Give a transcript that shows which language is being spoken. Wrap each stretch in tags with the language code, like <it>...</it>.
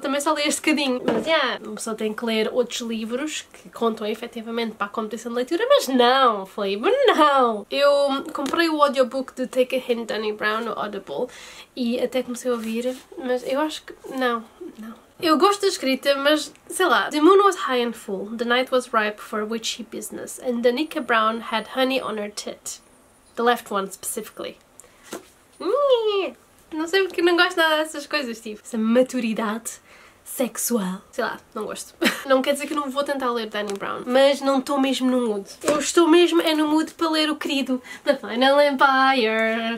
<pt>Também só li este bocadinho. Mas só tenho que ler outros livros que contam efetivamente para a competição de leitura, mas não, Felipe, não! Eu comprei o audiobook de Take a Hint, Danny Brown, no Audible, e até comecei a ouvir, mas eu acho que não. Eu gosto da escrita, mas sei lá.</pt> <en>The moon was high and full, the night was ripe for witchy business, and Danica Brown had honey on her tit. The left one, specifically.</en> <pt>Não sei porque não gosto nada dessas coisas, tipo. Essa maturidade sexual. Sei lá, não gosto. Não quer dizer que não vou tentar ler Danny Brown, mas não estou mesmo no mood. Eu estou mesmo é no mood para ler o querido The Final Empire.</pt>